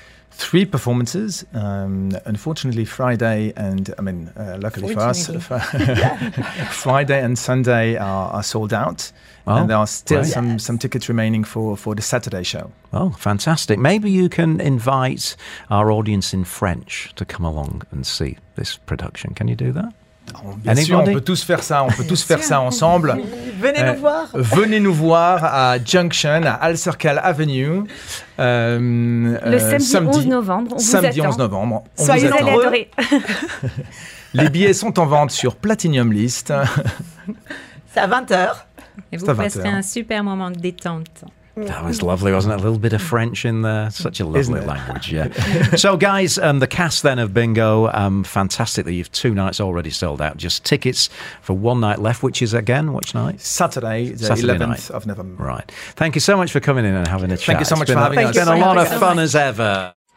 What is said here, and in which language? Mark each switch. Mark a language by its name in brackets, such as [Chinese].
[English] three performances, unfortunately Friday and, I mean, luckily for us, Friday and Sunday are sold out. Oh, and there are still some tickets remaining for the Saturday show. Oh, fantastic. Maybe you can invite our audience in French to come along and see this production. Can you do that? [French] Bien sûr, on peut tous faire ça, on peut tous faire ça ensemble. Venez nous voir. Venez nous voir à Junction, à Al Circle Avenue. Le samedi 11 novembre, on vous attend. Soyez vous allez adorer. Les billets sont en vente sur Platinum List. C'est à 20h. Et vous passerez un super moment de détente. [English] That was lovely, wasn't it? A little bit of French in there. Such a lovely language, yeah. So, guys, the cast then of Bingo, fantastic that you've two nights already sold out. Just tickets for one night left, which is, again, which night? Saturday the 11th of November. Right. Thank you so much for coming in and having a chat. Thank you so much for having us. It's been a lot of fun as ever.